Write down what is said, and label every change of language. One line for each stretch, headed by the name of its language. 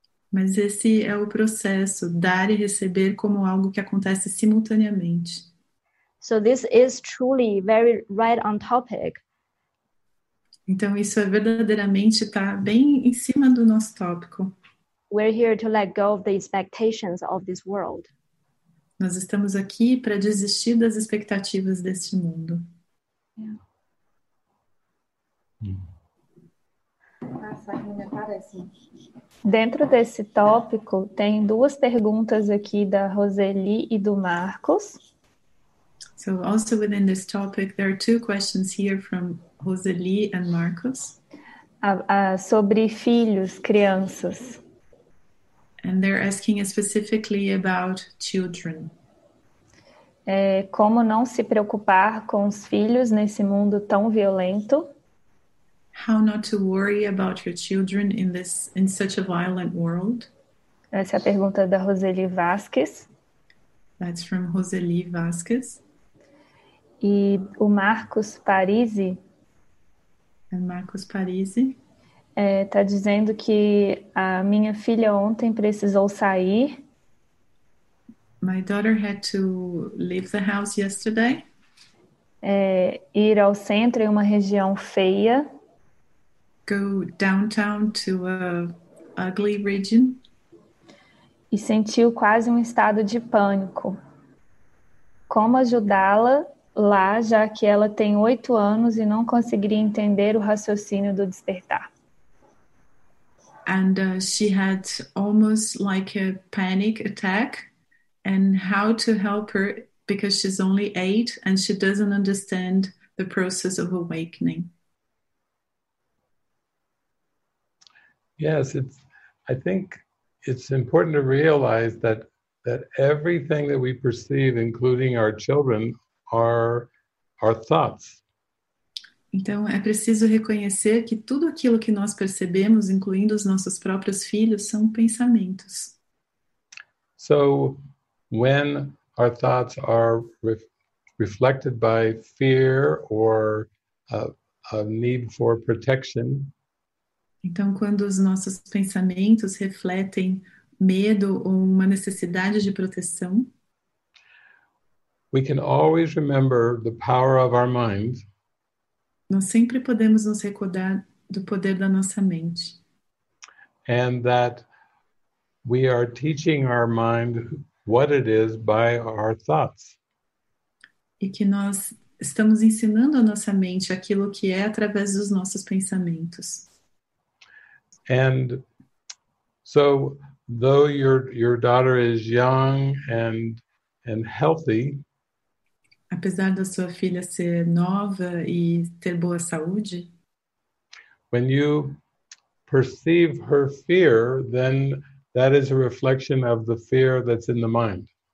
Portuguese: Mas esse é o processo, dar e receber como algo que acontece simultaneamente.
English: So this is truly very right on topic.
Portuguese: Então isso é verdadeiramente tá bem em cima do nosso tópico.
English: We're here to let go of the expectations of this world.
Portuguese: Nós estamos aqui para desistir das expectativas deste mundo.
English: Yeah.
Portuguese: Dentro desse tópico, tem duas perguntas aqui da Roseli e do Marcos.
English: So, also within this topic, there are two questions here from Roseli and Marcos.
Portuguese: sobre filhos, crianças.
English: And they're asking specifically about children.
Portuguese: É, como não se preocupar com os filhos nesse mundo tão violento?
English: How not to worry about your children in this in such a violent world?
Portuguese: Essa é a pergunta da Roseli Vasquez.
English: That's from Roseli Vasquez.
Portuguese: E o Marcos Parisi.
English: And Marcos Parisi.
Portuguese: Está dizendo que a minha filha ontem precisou sair.
English: My daughter had to leave the house yesterday.
Portuguese: É, ir ao centro em uma região feia.
English: Go downtown to a ugly region.
Portuguese: E sentiu quase um estado de pânico. Como ajudá-la lá, já que ela tem 8 anos e não conseguiria entender o raciocínio do despertar?
English: And she had almost like a panic attack. And how to help her, because she's only 8 and she doesn't understand the process of awakening. Yes, it's. I think it's important to realize that everything that we perceive, including our children, are our thoughts.
Portuguese: Então, é preciso reconhecer que tudo aquilo que nós percebemos, incluindo os nossos próprios filhos, são pensamentos.
English: So, when our thoughts are reflected by fear or a need for protection,
Portuguese: então, quando os nossos pensamentos refletem medo ou uma necessidade de proteção,
English: we can always remember the power of our mind.
Portuguese: Nós sempre podemos nos recordar do poder da nossa mente.
English: And that we are teaching our mind what it is by our thoughts.
Portuguese: E que nós estamos ensinando a nossa mente aquilo que é através dos nossos pensamentos.
English: And so, though your daughter is young and healthy,
Portuguese: apesar da sua filha ser nova e ter boa saúde,
English: when you perceive her fear, then that is a reflection of the fear that's in the mind.